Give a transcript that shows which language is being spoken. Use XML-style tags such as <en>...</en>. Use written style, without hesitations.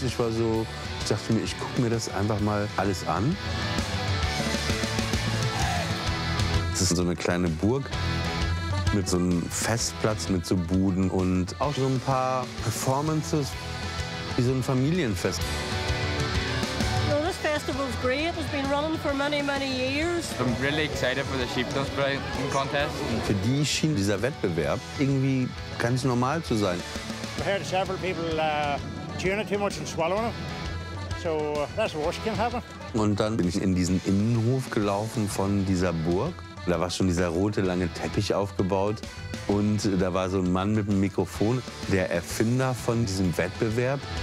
<de>Ich war so, ich dachte mir, ich gucke mir das einfach mal alles an. Das ist so eine kleine Burg. mit so einem Festplatz, mit so Buden und auch so ein paar Performances, wie so ein Familienfest.</de> <en>Well, this festival's great. It's been running for many, many years. I'm really excited for the Sheepdomsbräu contest.</en> <de>Für die schien dieser Wettbewerb irgendwie ganz normal zu sein.</de> <en>I've heard several people chewing it too much and swallowing it. So that's worse can happen.</en> <de>Und dann bin ich in diesen Innenhof gelaufen von dieser Burg. Da war schon dieser rote, lange Teppich aufgebaut. Und da war so ein Mann mit einem Mikrofon, der Erfinder von diesem Wettbewerb.</de>